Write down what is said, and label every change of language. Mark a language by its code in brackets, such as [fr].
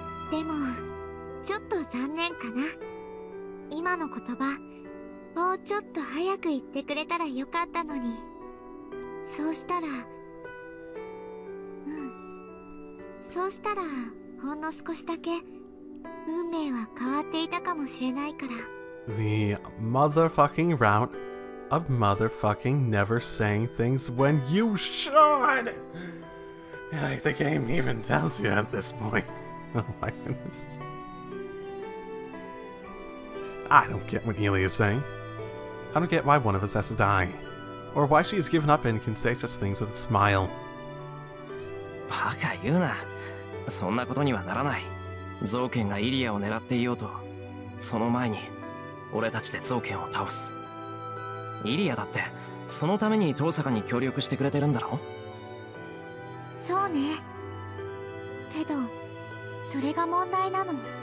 [ja] でも、ちょっと残念かな。今の言葉、もうちょっと早く言ってくれたらよかったのに。そうしたら、そうしたら、ほんの少しだけ、運命は変わっていたかもしれないから。 [en] The motherfucking route of motherfucking never saying things when you should! Like the game even tells you at this point. Oh my goodness. I don't get what Ilya is saying. I don't get why one of us has to die. Or why she has given up and can say such things with a smile. [ja] バカ言うな。そんなことにはならない。造剣がイリアを狙っていようと、その前に俺たちで造剣を倒す。イリアだってそのために東坂に協力してくれてるんだろ。そうね。けどそれが問題なの。